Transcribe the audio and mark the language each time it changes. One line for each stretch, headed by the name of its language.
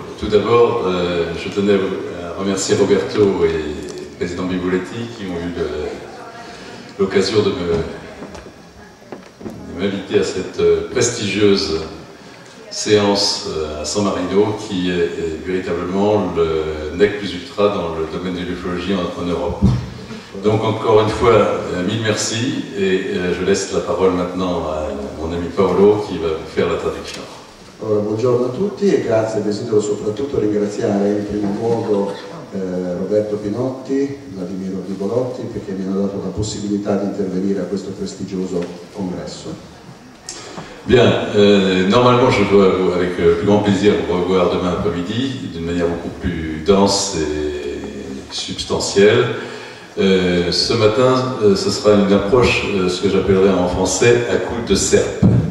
French: Tout d'abord, je tenais à remercier Roberto et président Bibuletti qui ont eu l'occasion de m'inviter à cette prestigieuse séance à San Marino qui est véritablement le nec plus ultra dans le domaine de l'ufologie en Europe. Donc encore une fois, mille merci et je laisse la parole maintenant à mon ami Paolo qui va vous faire la traduction.
Italian: Allora, buongiorno a tutti e grazie, desidero soprattutto ringraziare in primo luogo Roberto Pinotti, Vladimiro Bibolotti, perché mi hanno dato la possibilità di intervenire a questo prestigioso congresso.
French: Bien, normalement je dois vous, avec plus grand plaisir, vous revoir demain après-midi, d'une manière beaucoup plus dense et substantielle. Ce matin, ce sera une approche, ce que j'appellerai en français, à coup de serpe.